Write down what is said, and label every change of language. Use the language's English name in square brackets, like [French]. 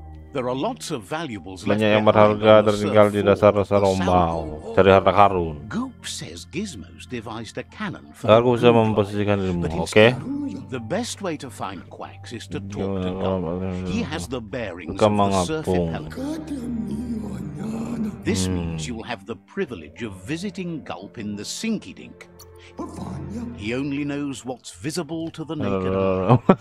[English] There are lots of valuables [Indonesian] banyak yang berharga tertinggal di dasar-dasar rombau. Cari harta karun. [English] Goop says Gizmo's devised a cannon for Goop. [Indonesian] Aku bisa memposisikan dirimu, oke? [English] The best way to find Quax is to talk to Goop. He has the bearings of the surf impeller. This means you will have the privilege of visiting Goop in the Sinky Dink. He only knows what's visible to the naked eye.